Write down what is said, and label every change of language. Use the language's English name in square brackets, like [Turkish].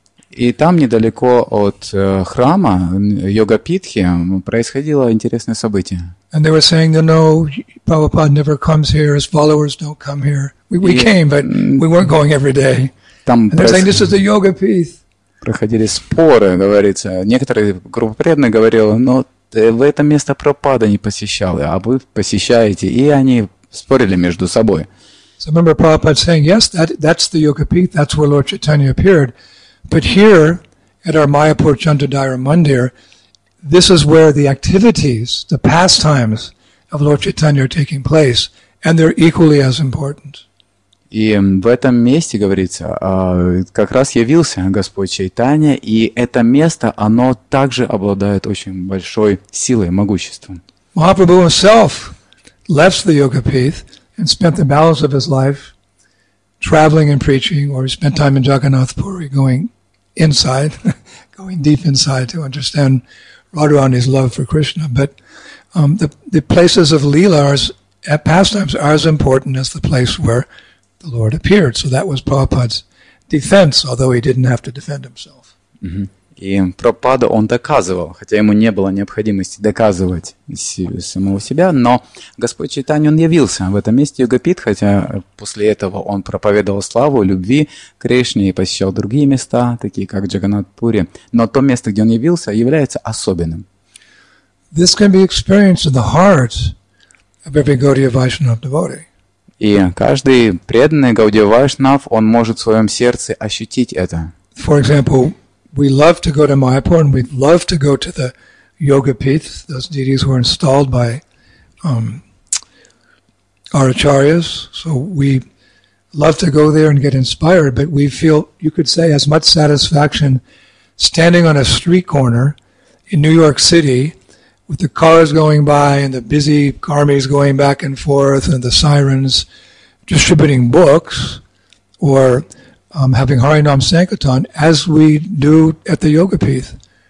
[Russian] И там недалеко от храма Йогапитхи происходило интересное событие. [English] And they were saying, no, Prabhupada never comes here, his followers don't come here. We came, but we weren't going every day. And they're saying, this is the yoga piece. [Russian] Проходили споры, говорится. Некоторые группы преданных говорили, но в это место Прабхупада не посещал, а вы посещаете. И они спорили между собой. [English] So I remember Prabhupada saying, yes, that's the yoga piece, that's where Lord Chaitanya appeared. But here, at our Mayapur Chandadaira Mandir, this is where the activities, the pastimes of Lord Chaitanya are taking place, and they're equally as important. [Russian] И в этом месте, говорится, как раз явился Господь Чайтанья, и это место, оно также обладает очень большой силой, могуществом. [English] Mahaprabhu himself left the Yogapith and spent the balance of his life traveling and preaching, or he spent time in Jagannath Puri going inside, going deep inside to understand Radharani's love for Krishna, but the places of leela at pastimes are as important as the place where the Lord appeared. So that was Prabhupada's defense, although he didn't have to defend himself. [Russian] И Прабхупада, он доказывал, хотя ему не было необходимости доказывать самого себя, но Господь Чайтанья, он явился в этом месте Йогапит, хотя после этого он проповедовал славу, любви Кришне и посещал другие места, такие как Джаганатпури, но то место, где он явился, является особенным. [English] This can be experienced in the heart of every Gaudiya Vaishnava devotee. [Russian] И каждый преданный Гаудия Вайшнав, он может в своем сердце ощутить это. [English] For example, we love to go to Mayapur, and we love to go to the yoga pits. Those deities were installed by our acharyas, so we love to go there and get inspired. But we feel, you could say, as much satisfaction standing on a street corner in New York City, with the cars going by and the busy armies going back and forth and the sirens distributing books or having Harinam Sankirtan, as we do at the Yogapith.